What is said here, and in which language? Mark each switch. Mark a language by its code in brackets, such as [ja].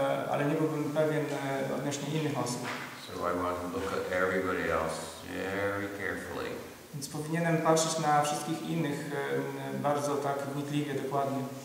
[pl] Ale nie byłbym pewien odnośnie innych osób. [en] So I want to look at everybody else very carefully. [pl] Więc powinienem patrzeć na wszystkich innych bardzo tak wnikliwie, dokładnie.